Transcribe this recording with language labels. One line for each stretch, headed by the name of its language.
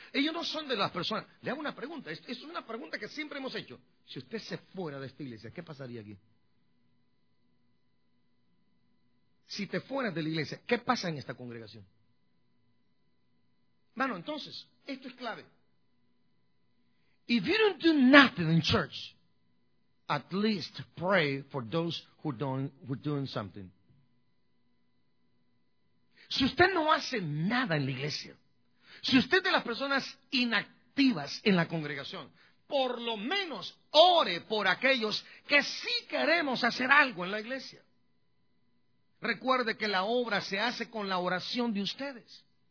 Spanish: Ellos no son de las personas... Le hago una pregunta. Es una pregunta que siempre hemos hecho. Si usted se fuera de esta iglesia, ¿qué pasaría aquí? Si te fueras de la iglesia, ¿qué pasa en esta congregación? Mano, entonces, esto es clave.
English: If you don't do nothing in church, at least pray for those who are doing something.
Spanish: Si usted no hace nada en la iglesia, si usted es de las personas inactivas en la congregación, por lo menos ore por aquellos que sí queremos hacer algo en la iglesia. Recuerde que la obra se hace con la oración de ustedes.